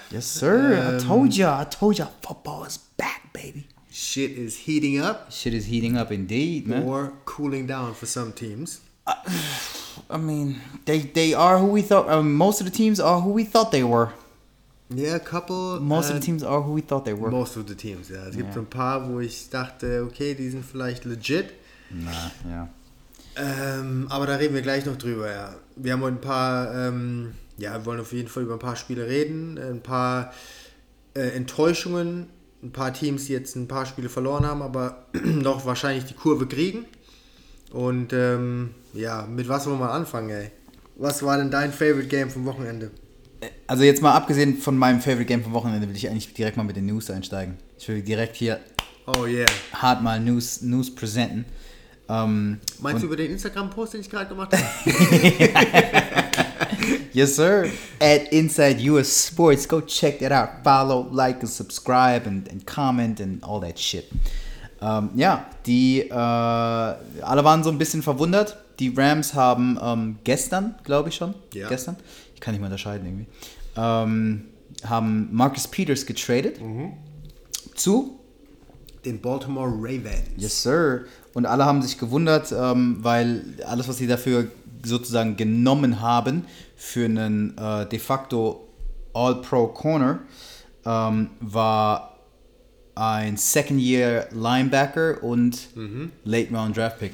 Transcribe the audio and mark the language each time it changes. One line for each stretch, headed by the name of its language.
English: Yes, sir. I told ya, football is back, baby. Shit is heating up. Shit is heating up indeed, man. Or cooling down for some teams. I mean, they are who we thought. Most of the teams are who we thought they were. Yeah, a couple. Most of the teams are who we thought they were. Most of the teams, yeah.
German: Es gibt so ein paar, wo ich dachte, okay, die sind vielleicht legit.
English: Nah, yeah.
German: Aber da reden wir gleich noch drüber, ja. Wir haben ein paar, wir wollen auf jeden Fall über ein paar Spiele reden. Ein paar Enttäuschungen. Ein paar Teams, die jetzt ein paar Spiele verloren haben, aber noch wahrscheinlich die Kurve kriegen. Und mit was wollen wir mal anfangen, ey? Was war denn dein Favorite Game vom Wochenende? Also jetzt mal abgesehen von meinem Favorite Game vom Wochenende, will ich eigentlich direkt mal mit den News einsteigen. Ich will direkt hier hart mal News presenten. Meinst du über den Instagram-Post, den ich gerade gemacht habe?
English: Yes, sir. At Inside US Sports. Go check that out. Follow, like, and subscribe and comment and all that shit.
German: Alle waren so ein bisschen verwundert. Die Rams haben gestern, glaube ich schon, gestern, ich kann nicht mal unterscheiden irgendwie, haben Marcus Peters getradet zu den Baltimore Ravens.
English: Yes, sir.
German: Und alle haben sich gewundert, weil alles, was sie dafür sozusagen genommen haben für einen de facto All-Pro-Corner, war ein Second-Year-Linebacker und Late-Round-Draft-Pick.